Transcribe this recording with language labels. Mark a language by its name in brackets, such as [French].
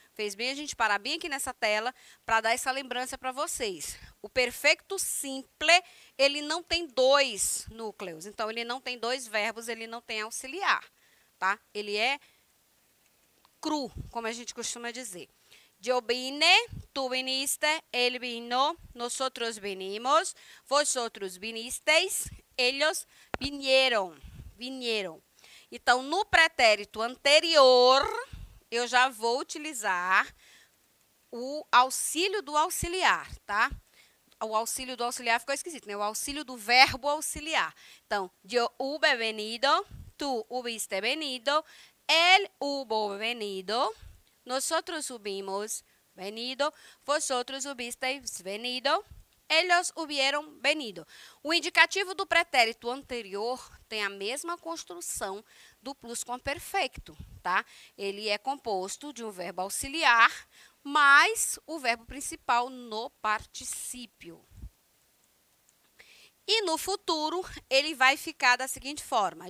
[Portuguese] Fez bem a gente parar bem aqui nessa tela para dar essa lembrança para vocês. O perfeito simple, ele não tem dois núcleos. Então, ele não tem dois verbos, ele não tem auxiliar. Tá? Ele é cru, como a gente costuma dizer. [Spanish] Yo vine, tú viniste, él vino, nosotros vinimos, vosotros vinisteis, ellos vinieron. Vinieron. [Portuguese] Então, no pretérito anterior, eu já vou utilizar o auxílio do auxiliar, tá? O auxílio do auxiliar ficou esquisito, né? O auxílio do verbo auxiliar. [Spanish] Então, yo hube venido, tú hubiste venido, él hubo venido, nosotros hubimos venido, vosotros hubisteis venido, ellos hubieron venido. [Portuguese] O indicativo do pretérito anterior tem a mesma construção do plusquamperfeito. Tá? Ele é composto de um verbo auxiliar mais o verbo principal no particípio. E no futuro, ele vai ficar da seguinte forma.